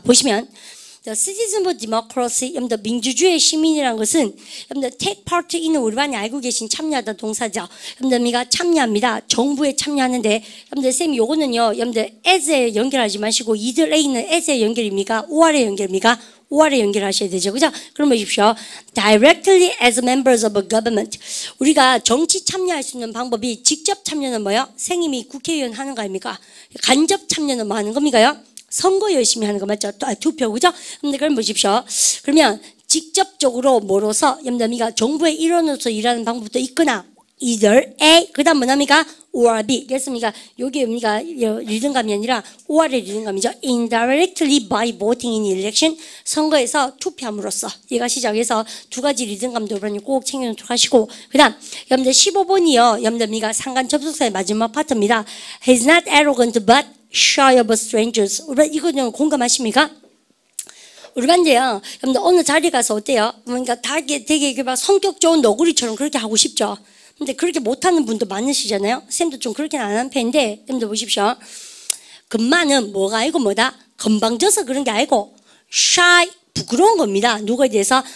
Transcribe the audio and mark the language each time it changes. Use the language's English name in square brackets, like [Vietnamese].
[Korean] 보시면, The citizen of democracy, 여러분들, 민주주의 시민이라는 것은 여러분들, take part in, 우리 많이 알고 계신 참여하다 동사죠. 여러분들, 우리가 참여합니다. 정부에 참여하는데, 여러분들, 쌤, 요거는요, 여러분들, as에 연결하지 마시고, either a는 as에 연결입니까? or에 연결입니까? or에 연결하셔야 되죠. 그죠? 그럼 보십시오. [English] directly as members of a government. [Korean] 우리가 정치 참여할 수 있는 방법이 직접 참여는 뭐요? 선생님이 국회의원 하는 거 아닙니까? 간접 참여는 뭐 하는 겁니까요? 선거 열심히 하는 거 맞죠? 투표, 그죠? 근데 그걸 보십시오. 그러면 직접적으로 뭐로서, 염담이가 정부의 일원으로서 일하는 방법도 있거나, either A, 그 다음 뭐냅니까? or B. 됐습니까? 요게 뭡니까? 리듬감이 아니라, or의 리듬감이죠. [English] indirectly by voting in election. [Korean] 선거에서 투표함으로써. 얘가 시작해서 두 가지 리듬감도 그러니 꼭 챙겨놓도록 하시고. 그 다음, 여러분들 15번이요. 염담이가 상관 접속사의 마지막 파트입니다. [English] He's not arrogant but shy of strangers. [Korean] 이거 좀 공감하십니까? 우리가 이제요, 여러분들 어느 자리에 가서 어때요? 뭔가 그러니까 되게 막 성격 좋은 너구리처럼 그렇게 하고 싶죠. 근데 그렇게 못하는 분도 많으시잖아요. 쌤도 좀 그렇게는 안 한 편인데, 쌤도 보십시오. 금마는 뭐가 아니고 뭐다? 건방져서 그런 게 아니고 shy, 부끄러운 겁니다. 누구에 대해서?